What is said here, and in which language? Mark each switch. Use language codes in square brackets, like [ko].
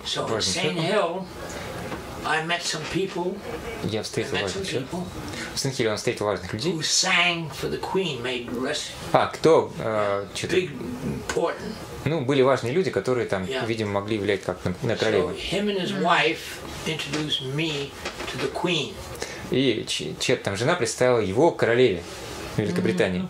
[en] So in Saint Hill, I met some people. [ru] Я встретил важных людей. В Сент-Хилле он встретил важных людей. [en] Who sang for the Queen, made rest. [ru] А кто? [en] Big, important. [ru] Ну, были важные люди, которые там, видимо, могли влиять как на королеву. [en] So him and his wife introduced me to the Queen. [ru] И чья-то там жена представила его королеве Великобритании.